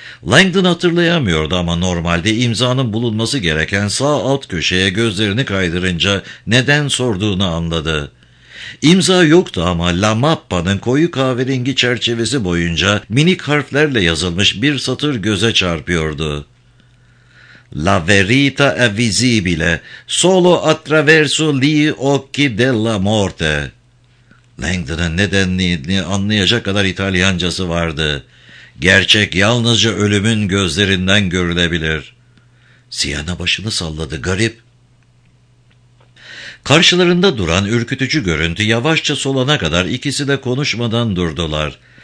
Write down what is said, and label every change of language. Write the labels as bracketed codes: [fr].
[tr] Langdon hatırlayamıyordu ama normalde imzanın bulunması gereken sağ alt köşeye gözlerini kaydırınca neden sorduğunu anladı. İmza yoktu ama La Mappa'nın koyu kahverengi çerçevesi boyunca minik harflerle yazılmış bir satır göze çarpıyordu. [it] La verita è visibile, solo attraverso gli occhi della morte. [tr] Langdon'ın ne denliğini anlayacak kadar İtalyancası vardı. Gerçek yalnızca ölümün gözlerinden görülebilir. Sienna başını salladı, garip. Karşılarında duran ürkütücü görüntü yavaşça solana kadar ikisi de konuşmadan durdular.